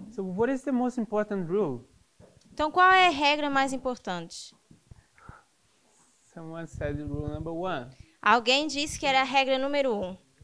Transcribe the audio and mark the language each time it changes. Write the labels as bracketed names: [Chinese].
[English] So, what is the most important rule? [Portuguese] Então, qual é a regra mais importante? [English] Someone said rule number one. [Portuguese] Alguém disse que era a regra número um.